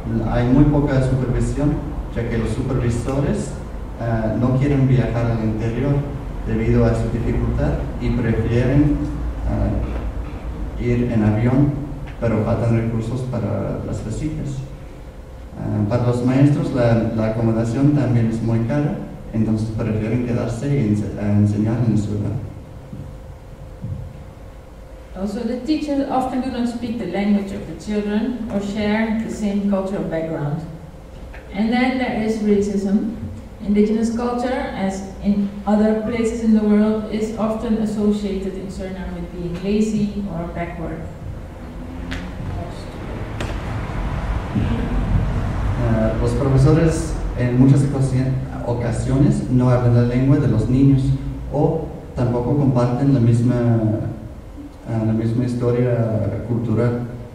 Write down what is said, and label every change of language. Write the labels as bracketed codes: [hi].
[es] Hay muy poca supervisión, ya que los supervisores no quieren viajar al interior debido a su dificultad y prefieren ir en avión, pero faltan recursos para las visitas. Para los maestros la acomodación también es muy cara, entonces prefieren quedarse y enseñar en su lugar. [en] Also, the teachers often do not speak the language of the children or share the same cultural background. And then there is racism. Indigenous culture, as in other places in the world, is often associated in Suriname with being lazy or backward. [es] Los profesores en muchas ocasiones no hablan la lengua de los niños o tampoco comparten la misma historia cultural.